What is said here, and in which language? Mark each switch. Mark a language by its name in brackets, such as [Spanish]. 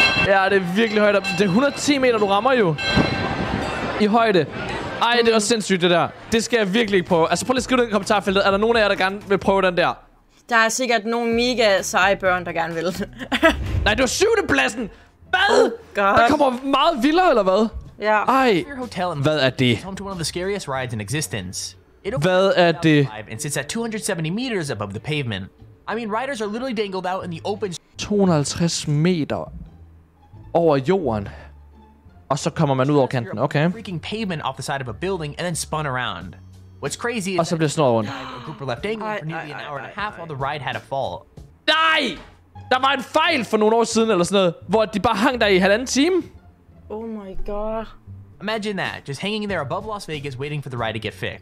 [Danish] Ja, det er virkelig højt op. Det er 110 meter, du rammer jo. I højde. Ej, det er også sindssygt, det der. Det skal jeg virkelig ikke prøve. Altså, prøv lige at skrive det i kommentarfeltet. Er der nogen af jer, der gerne vil prøve den der? Der er sikkert nogle mega seje børn, der gerne vil. Nej, du er 7. pladsen. Hvad? Der kommer meget vildere, eller hvad? Ja. Ej, hvad er det? [English] Home to one of the scariest rides in existence. [Danish] Hvad er det? [English] And sits at 270 meters above the pavement. I mean, riders are literally dangled out in the open... [Danish] 250 meter over jorden. Og så kommer man ud over kanten, okay. [English] Freaking pavement off the side of a building and then spun around. What's crazy [Danish] is... Og så bliver det snorren. [English] A group were left dangling for nearly an hour and a half while the ride had a fall. [Danish] Nej! Der var en fejl for nogle år siden eller sådan noget, hvor de bare hang der i halvanden time. [English] Oh my god. Imagine that, just hanging there above Las Vegas waiting for the ride to get fixed.